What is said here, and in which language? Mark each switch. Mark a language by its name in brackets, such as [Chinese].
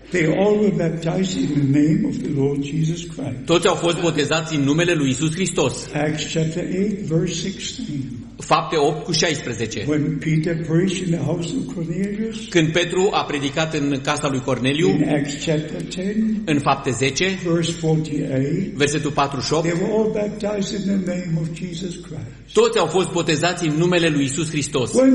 [English] They all were baptized in the name of the Lord Jesus Christ. [Romanian] Toți au fost botezați în numele lui Iisus Hristos. [English] Acts chapter 8 verse 16. [Romanian] Fapte 8 cu 16. [English] When Peter preached in the house of Cornelius. [Romanian] Când Petru a predicat în casa lui Corneliu. [English] In Acts chapter 10. [Romanian] În Fapte 10. [English] Verse 48. [Romanian] Versetul 48. [English] They were all baptized in the name of Jesus Christ. [Romanian] Toți au fost botezați în numele lui Iisus Hristos.